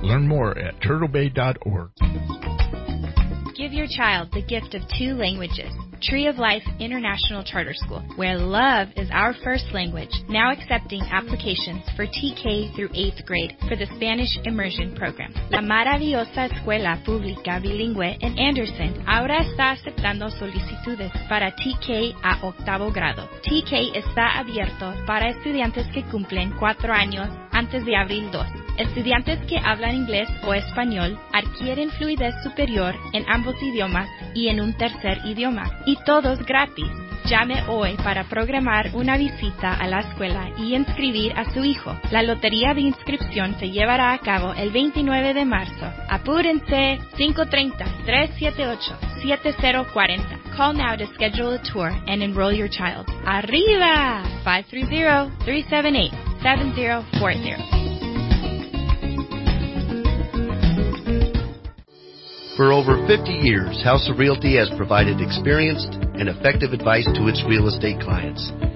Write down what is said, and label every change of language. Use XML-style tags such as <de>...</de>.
<en>Learn more at turtlebay.org. Give your child the gift of 2 languages. Tree of Life International Charter School, where love is our first language, now accepting applications for TK through 8th grade for the Spanish Immersion Program.</en> <es>La Maravillosa Escuela Pública Bilingüe en Anderson ahora está aceptando solicitudes para TK a 8th grado. TK está abierto para estudiantes que cumplen 4 años antes de abril 2. Estudiantes que hablan inglés o español adquieren fluidez superior en ambos idiomas y en un tercer idioma. Y todos gratis. Llame hoy para programar una visita a la escuela y inscribir a su hijo. La lotería de inscripción se llevará a cabo el 29 de marzo. Apúrense. 530-378-7040.</es> <en>Call now to schedule a tour and enroll your child.</en> <es>¡Arriba! 530-378-7040.</es> <en>For over 50 years, House of Realty has provided experienced and effective advice to its real estate clients.</en>